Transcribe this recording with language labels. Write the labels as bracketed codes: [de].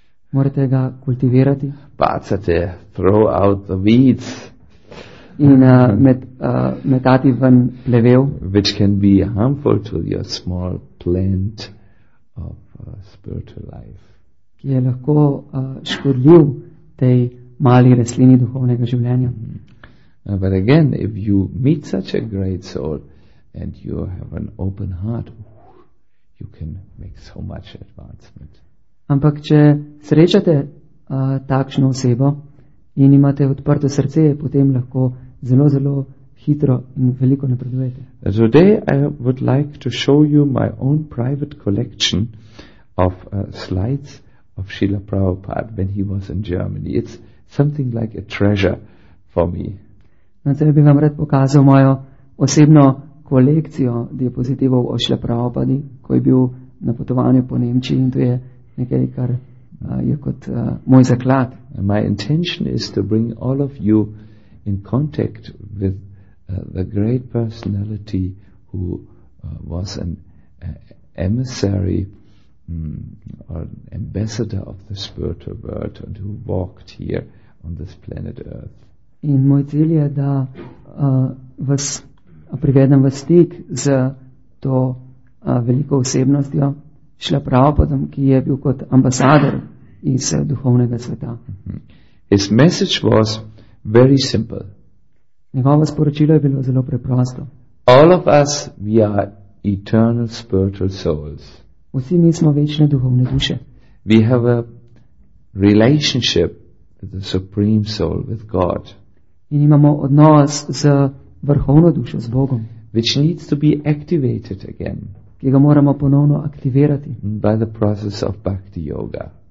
[sl] Morate ga kultivirati. Bacate, [en] throw out the weeds. [sl] In metati ven plevel, [en] which can be harmful to your small plant of spiritual life. [sl] Ki je lahko škodljiv tej mali rastlini duhovnega življenja. [en] But again, if you meet such a great soul and you have an open heart, you can make so much advancement. [sl] Ampak če srečate takšno osebo in imate odprto srce, potem lahko zelo, zelo hitro in veliko napredujete. [en] Today I would like to show you my own private collection of slides of Srila Prabhupada when he was in Germany. It's something like a treasure for me. [sl] Zdaj bi vam rad pokazal mojo osebno kolekcijo diapozitivov o Šrila Prabhupadi, ko je bil na potovanju po Nemčiji in to je nekaj, kar je kot moj zaklad. [en] My intention is to bring all of you in contact with the great personality who was an emissary or an ambassador of the spiritual world and who walked here on this planet Earth. [sl] In moj cilj je, da vas privedem v stik z to veliko osebnostjo Šrila Prabhupada, ki je bil kot ambasador iz duhovnega sveta. [en] His message was very simple. [sl] Njegovo sporočilo je bilo zelo preprosto. [en] All of us, we are eternal spiritual souls. [sl] Vsi mi smo večne duhovne duše. [en] We have a relationship with the supreme soul, with God. [sl] In imamo odnos z vrhovno dušo, z Bogom, [en] which needs to be activated again, [sl] ki ga moramo ponovno aktivirati, [en] by the process of bhakti yoga,